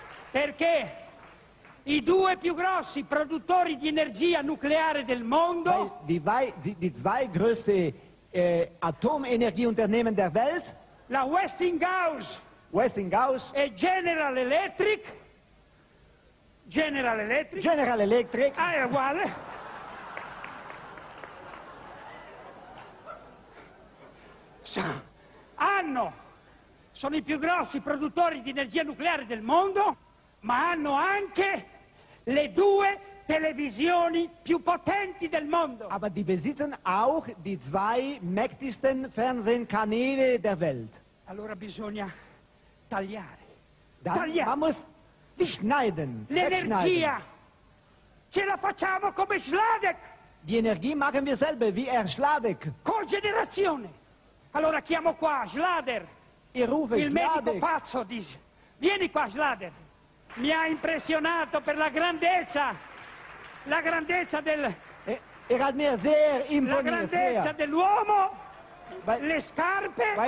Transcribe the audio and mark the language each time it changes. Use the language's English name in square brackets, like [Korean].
[Italian] Perché i due più grossi produttori di energia nucleare del mondo... [German] Die zwei größte Atomenergieunternehmen der Welt, [Italian] la Westinghouse e General Electric, ah, è uguale, sono i più grossi produttori di energia nucleare del mondo, ma hanno anche le due televisioni più potenti del mondo. [German] Aber die besitzen auch die zwei mächtigsten Fernsehkanäle der Welt. [Italian] Allora bisogna tagliare. [German] Man muss schneiden. [Italian] L'energia ce la facciamo come Schladek. [German] Die Energie machen wir selber, wie Herr Schladek. [Italian] Cogenerazione. Allora chiamo qua Schlader. [German] Ich rufe [Italian] il Schladek. Medico pazzo dice. Vieni qua Schlader. Mi ha impressionato per la grandezza. La grandezza del dell'uomo, le scarpe,